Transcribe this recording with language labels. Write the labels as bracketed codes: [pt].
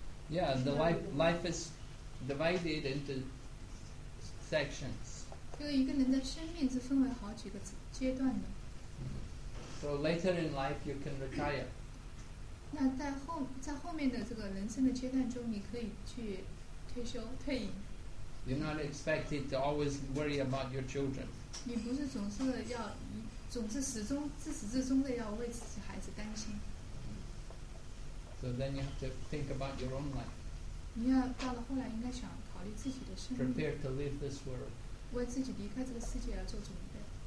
[en] Yeah, the life is divided into sections. [zh] 就是一个人的生命是分为好几个阶段的。 [en] So later in life, you can retire. [zh] 那在后面的这个人生的阶段中，你可以去退休、退隐。 [en] You're not expected to always worry about your children. [zh] 你不是总是要，总是始终自始至终的要为自己孩子担心。 [en] So then you have to think about your own life. [zh] 你要到了后来，应该想考虑自己的生命。 [en] Prepare to leave this world. [zh] 为自己离开这个世界而做准备。